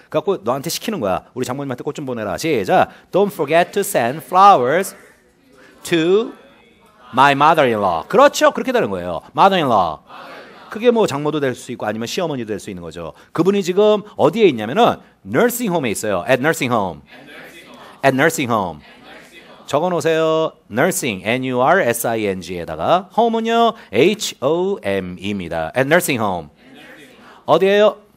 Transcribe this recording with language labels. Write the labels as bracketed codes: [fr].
[ko] 그래갖고 너한테 시키는 거야. 우리 장모님한테 꽃좀 보내라. 시작. [en] Don't forget to send flowers to my mother-in-law. [ko] 그렇죠. 그렇게 되는 거예요. Mother-in-law. 그게 뭐 장모도 될 수 있고 아니면 시어머니도 될 수 있는 거죠. 그분이 지금 어디에 있냐면은 nursing home에 있어요. [en] At nursing home. At nursing home. [ko] 적어놓으세요. Nursing, N-U-R-S-I-N-G에다가 home은요 H-O-M-E입니다. [en] At nursing home. [ko] 어디에요?